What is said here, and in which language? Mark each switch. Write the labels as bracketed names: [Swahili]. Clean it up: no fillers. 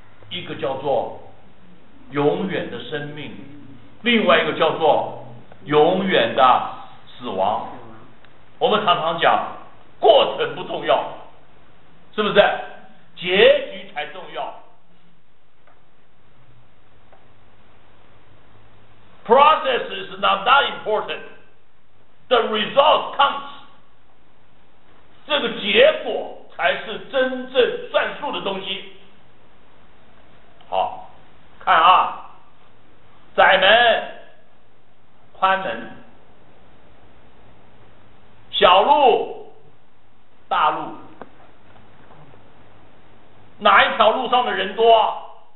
[Chinese] 一个叫做永远的生命，另外一个叫做永远的死亡。我们常常讲过程不重要，是不是结局才重要？ [English] Process is not that important, the result comes. [Chinese] 这个结果才是真正算数的东西。好，看啊，窄门、宽门、小路、大路，哪一条路上的人多？